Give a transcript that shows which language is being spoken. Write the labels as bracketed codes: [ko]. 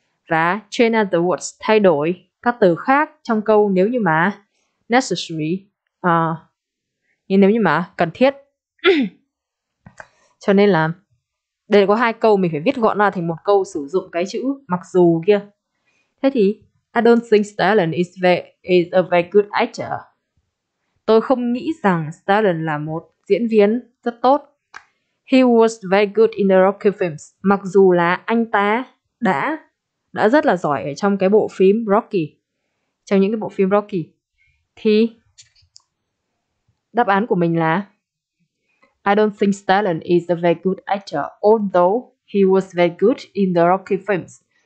[vi] Và [en] change the words, [vi] thay đổi các từ khác trong câu nếu như mà necessary. Nếu như mà cần thiết. Cho nên là đây có hai câu, mình phải viết gọn ra thành một câu sử dụng cái chữ mặc dù kia. Thế thì [en] I don't think Stalin is a very good actor. [vi] Tôi không nghĩ rằng Stallone là một diễn viên rất tốt. [en] He was very good in the Rocky films. [vi] Mặc dù là anh ta đã rất là giỏi ở trong cái bộ phim Rocky, trong những cái bộ phim Rocky, thì đáp án của mình là [en] I don't think Stallone is a very good actor, although he was very good in the Rocky films.